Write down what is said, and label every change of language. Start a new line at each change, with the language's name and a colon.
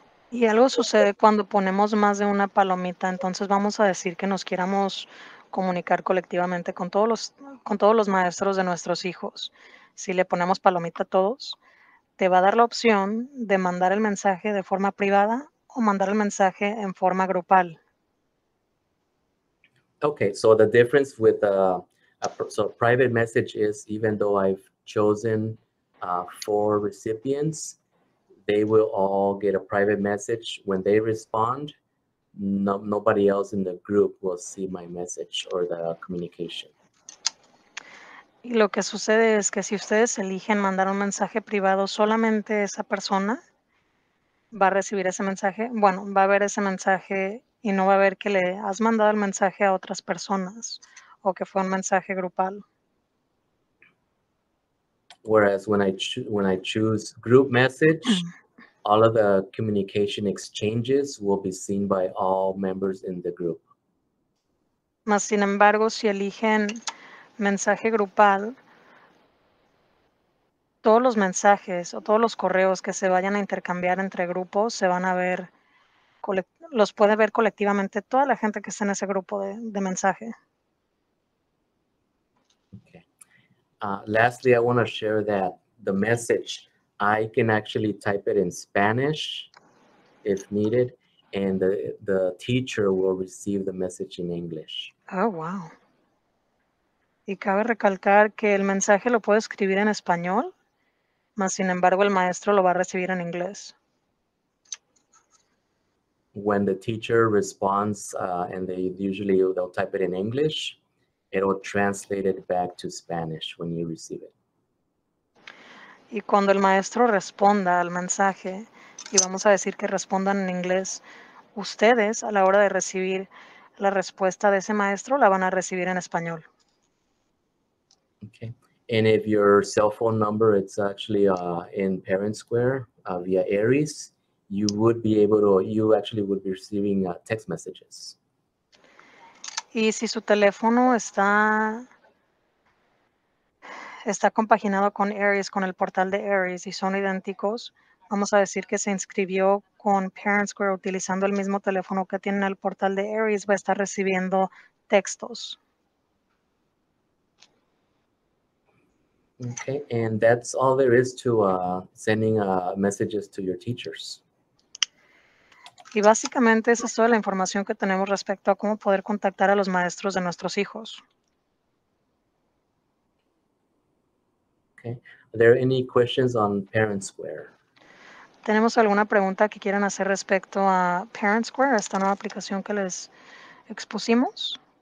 Spanish: Y algo sucede cuando ponemos más de una palomita, entonces vamos a decir que nos queramos comunicar colectivamente con todos los maestros de nuestros hijos. Si le ponemos palomita a todos, te va a dar la opción de mandar el mensaje de forma privada o mandar el mensaje en forma grupal.
English: Okay, so the difference with a private message is even though I've chosen four recipients, they will all get a private message when they respond. Nobody else in the group will see my message or the communication.
Spanish: Y lo que sucede es que si ustedes eligen mandar un mensaje privado, solamente esa persona va a recibir ese mensaje. Bueno, va a ver ese mensaje y no va a ver que le has mandado el mensaje a otras personas o que fue un mensaje grupal.
English: Whereas when I choose group message, all of the communication exchanges will be seen by all members in the group.
Spanish: Mas sin embargo, si eligen mensaje grupal, todos los mensajes o todos los correos que se vayan a intercambiar entre grupos se van a ver, los puede ver colectivamente toda la gente que está en ese grupo de mensaje.
English: Okay. Lastly, I want to share that the message, I can actually type it in Spanish if needed, and the teacher will receive the message in English. Oh, wow.
Spanish: Y cabe recalcar que el mensaje lo puedo escribir en español, mas sin embargo el maestro lo va a recibir en inglés.
English: When the teacher responds, and they usually they'll type it in English, it'll translate it back to Spanish when you receive it.
Spanish: Y cuando el maestro responda al mensaje, y vamos a decir que respondan en inglés, ustedes a la hora de recibir la respuesta de ese maestro la van a recibir en español.
English: Okay. And if your cell phone number is actually in ParentSquare via Aeries, you would be able to, you actually would be receiving text messages.
Spanish: Y si su teléfono está compaginado con Aeries, con el portal de Aeries, y son idénticos, vamos a decir que se inscribió con ParentSquare utilizando el mismo teléfono que tiene en el portal de Aeries, va a estar recibiendo textos.
English: Okay, and that's all there is to sending messages to your teachers.
Spanish: Y básicamente esa es toda la información que tenemos respecto a cómo poder contactar a los maestros de nuestros hijos.
English: Okay, are there any questions on ParentSquare?
Spanish: ¿Tenemos alguna pregunta que quieran hacer respecto a ParentSquare, esta nueva aplicación que les expusimos?